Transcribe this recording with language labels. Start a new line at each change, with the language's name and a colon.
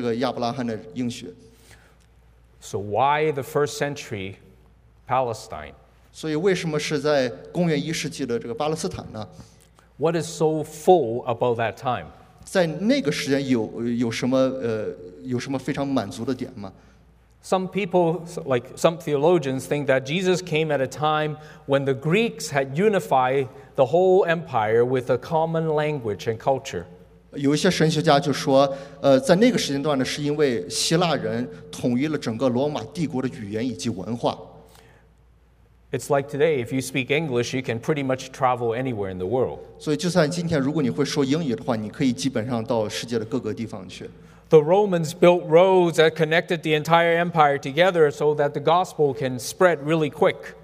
Chinese: 注意看，这个神没有说立刻让耶稣下来去成全这个亚伯拉罕的应许。
English: So why the first century Palestine?
Chinese: 所以为什么是在公元一世纪的这个巴勒斯坦呢？
English: What is so full about that time?
Chinese: 在那个时间有什么非常满足的点吗？
English: Some people, like some theologians, think that Jesus came at a time when the Greeks had unified the whole empire with a common language and culture.
Chinese: 有一些神学家就说，在那个时间段呢，是因为希腊人统一了整个罗马帝国的语言以及文化。
English: It's like today, if you speak English, you can pretty much travel anywhere in the world.
Chinese: 所以就算今天如果你会说英语的话，你可以基本上到世界的各个地方去。
English: The Romans built roads that connected the entire empire together so that the gospel can spread really quick.